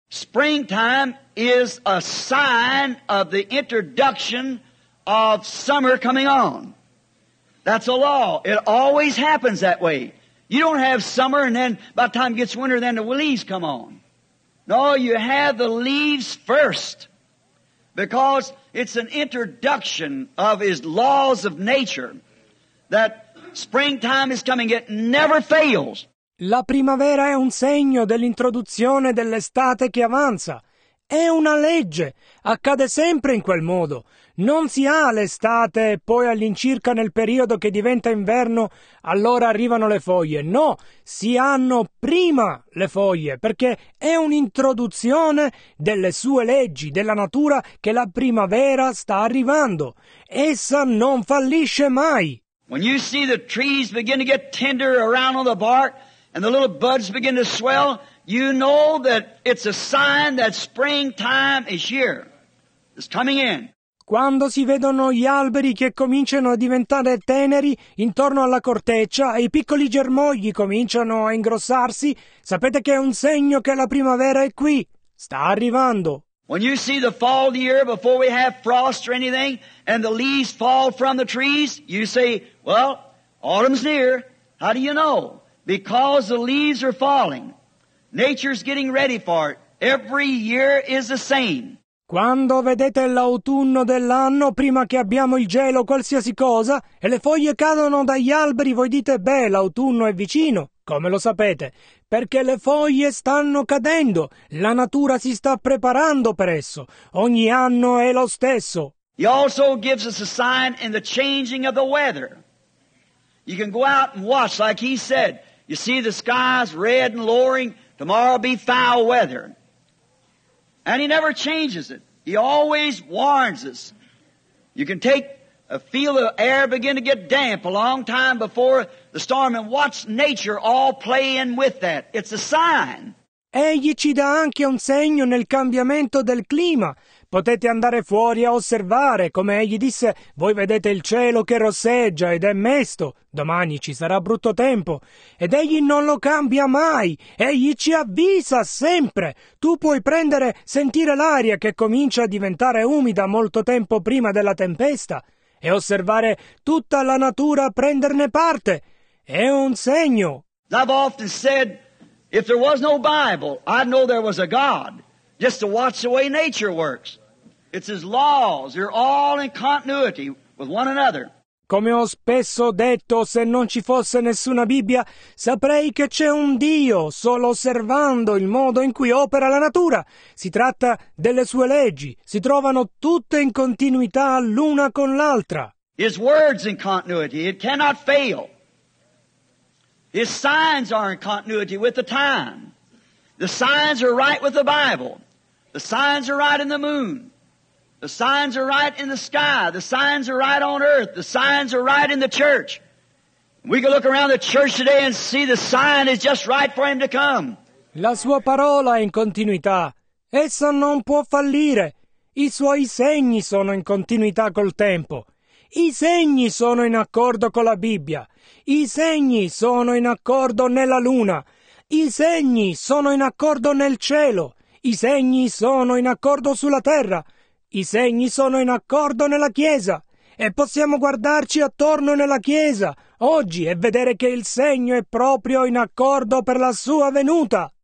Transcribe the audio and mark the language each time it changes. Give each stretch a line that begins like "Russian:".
English: Springtime is a sign of the introduction of summer coming on. That's a law. It always happens that way. You don't have summer and then by the time it gets winter, then the leaves come on. No, you have the leaves first because it's an introduction of his laws of nature that Springtime is coming, it never fails.
Italian: La primavera è un segno dell'introduzione dell'estate che avanza. È una legge, accade sempre in quel modo. Non si ha l'estate e poi all'incirca nel periodo che diventa inverno allora arrivano le foglie. No, si hanno prima le foglie, perché è un'introduzione delle sue leggi, della natura, che la primavera sta arrivando. Essa non fallisce mai.
English: When you see the trees begin to get tender around on the bark and the little buds begin to swell, you know that it's a sign that springtime is here. It's coming in.
Italian: Quando si vedono gli alberi che cominciano a diventare teneri intorno alla corteccia e i piccoli germogli cominciano a ingrossarsi, sapete che è un segno che la primavera è qui, sta arrivando.
English: When you see the fall of the year before we have frost or anything and the leaves fall from the trees, you say, well, autumn's near. How do you know? Because the leaves are falling. Nature's getting ready for it. Every year is the same.
Italian: Quando vedete l'autunno dell'anno, prima che abbiamo il gelo o qualsiasi cosa, e le foglie cadono dagli alberi, voi dite, beh, l'autunno è vicino. Come lo sapete? Perché le foglie stanno cadendo, la natura si sta preparando per esso. Ogni anno è lo stesso.
English: He also gives us a sign in the changing of the weather. You can go out and watch, like he said. You see the skies red and lowering, tomorrow be foul weather. And he never changes it. He always warns us. You can take a feel of air begin to get damp a long time before the storm and watch nature all play in with that. It's a sign.
Italian: Egli ci dà anche un segno nel cambiamento del clima. Potete andare fuori a osservare, come egli disse, voi vedete il cielo che rosseggia ed è mesto, domani ci sarà brutto tempo, ed egli non lo cambia mai, egli ci avvisa sempre. Tu puoi prendere, sentire l'aria che comincia a diventare umida molto tempo prima della tempesta, e osservare tutta la natura prenderne parte. È un segno.
English: I've often said, if there was no Bible, I'd know there was a God. Just to watch the way nature works. It's his laws. They're all in continuity with one another.
Italian: Come ho spesso detto, se non ci fosse nessuna Bibbia, saprei che c'è un Dio solo osservando il modo in cui opera la natura. Si tratta delle sue leggi. Si trovano tutte in continuità l'una con l'altra.
English: His words in continuity. It cannot fail. His signs are in continuity with the time. The signs are right with the Bible. The signs are right in the moon. The signs are right in the sky. The signs are right on earth. The signs are right in the church. We can look around the church today and see the sign is just right for him to come.
Italian: La sua parola è in continuità. Essa non può fallire. I suoi segni sono in continuità col tempo. I segni sono in accordo con la Bibbia. I segni sono in accordo nella luna. I segni sono in accordo nel cielo, i segni sono in accordo sulla terra, i segni sono in accordo nella Chiesa, e possiamo guardarci attorno nella Chiesa oggi e vedere che il segno è proprio in accordo per la sua venuta.